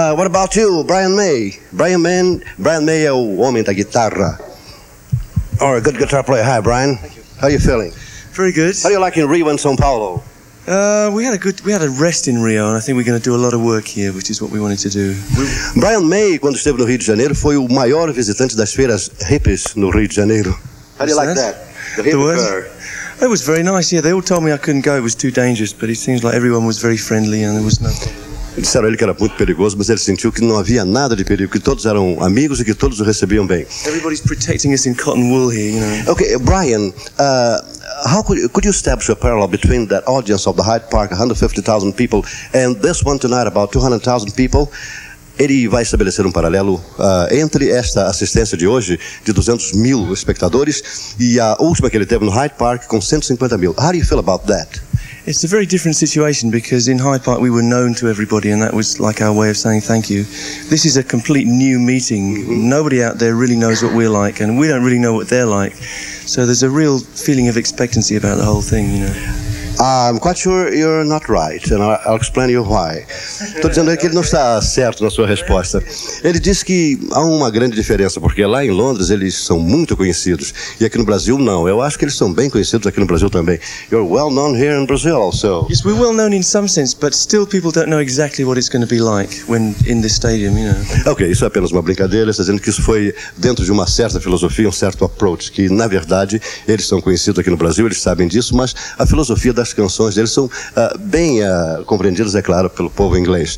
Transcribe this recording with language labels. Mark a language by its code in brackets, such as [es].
[en] What about you, Brian May? Brian May, a woman with a guitar. Or a good guitar player. Hi, Brian. Thank you. How are you feeling? Very good. How do you like in Rio and São Paulo? We had a rest in Rio, and I think we're going to do a lot of work here, which is what we wanted to do. [pt] Brian May, quando esteve no Rio de Janeiro, foi o maior visitante das feiras hippies no Rio de Janeiro. [en] How do you like that? The hippie fair? It was very nice, yeah. They all told me I couldn't go, it was too dangerous, but it seems like everyone was very friendly and there was no problem. [pt] Disseram ele que era muito perigoso, mas ele sentiu que não havia nada de perigo, que todos eram amigos e que todos o recebiam bem. [en] Everybody's protecting us in cotton wool here, you know. Okay, Brian, How could you establish a parallel between that audience of the Hyde Park, 150,000 people, and this one tonight, about 200,000 people? [pt] Ele vai estabelecer paralelo entre esta assistência de hoje, de 200 mil espectadores, e a última que ele teve no Hyde Park, com 150 mil. [en] How do you feel about that? It's a very different situation because in Hyde Park we were known to everybody and that was like our way of saying thank you. This is a complete new meeting. Mm-hmm. Nobody out there really knows what we're like and we don't really know what they're like. So there's a real feeling of expectancy about the whole thing, you know. I'm quite sure you're not right, and I'll explain you why. [pt] Tô dizendo que ele não está certo na sua resposta. Ele disse que há uma grande diferença, porque lá em Londres eles são muito conhecidos, e aqui no Brasil não. Eu acho que eles são bem conhecidos aqui no Brasil também. [en] You're well known here in Brazil also. Yes, we're well known in some sense, but still people don't know exactly what it's going to be like when in this stadium, you know. [pt] Okay, isso é apenas uma brincadeira. Ele está dizendo que isso foi dentro de uma certa filosofia, um certo approach, que na verdade eles são conhecidos aqui no Brasil, eles sabem disso, mas a filosofia das canções deles são bem compreendidas, é claro, pelo povo inglês.